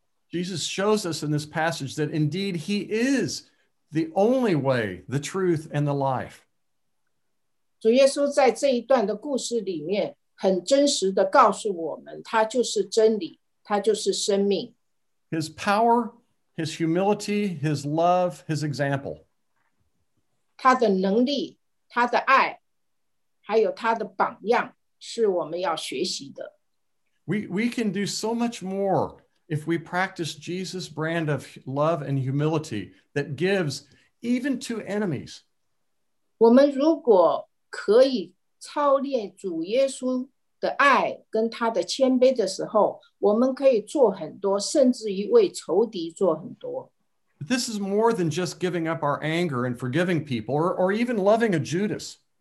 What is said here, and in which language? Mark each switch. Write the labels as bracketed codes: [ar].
[en] Jesus shows us in this passage that indeed he is the only way, the truth, and the life. [zh] 主耶稣在这一段的故事里面很真实地告诉我们，他就是真理，他就是生命。 [en] His power, his humility, his love, his example. [zh] 他的能力，他的爱，还有他的榜样，是我们要学习的。 [en] We can do so much more if we practice Jesus' brand of love and humility that gives even to enemies. [zh] 我们如果可以操练主耶稣的爱跟他的谦卑的时候，我们可以做很多，甚至于为仇敌做很多。 [en] But this is more than just giving up our anger and forgiving people, or even loving a Judas.